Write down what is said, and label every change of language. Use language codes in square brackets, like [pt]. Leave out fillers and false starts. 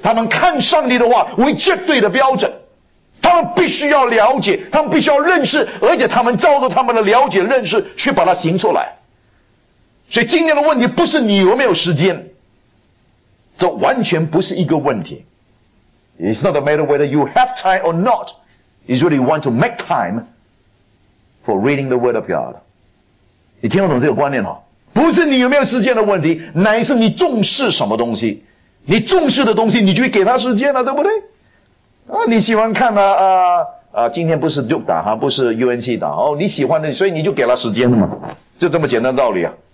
[zh] 他们看上帝的话为绝对的标准，他们必须要了解，他们必须要认识，而且他们照着他们的了解认识去把它行出来。所以今天的问题不是你有没有时间，这完全不是一个问题。 [en] It's not a matter whether you have time or not, it's really want to make time for reading the word of God。 [zh] 你听得懂这个观念吗？不是你有没有时间的问题，乃是你重视什么东西。你重视的东西，你就会给他时间了，对不对？啊，你喜欢看啊啊啊！今天不是 Duke 打哈，不是 UNC 打哦，你喜欢的，所以你就给他时间了嘛，就这么简单的道理啊。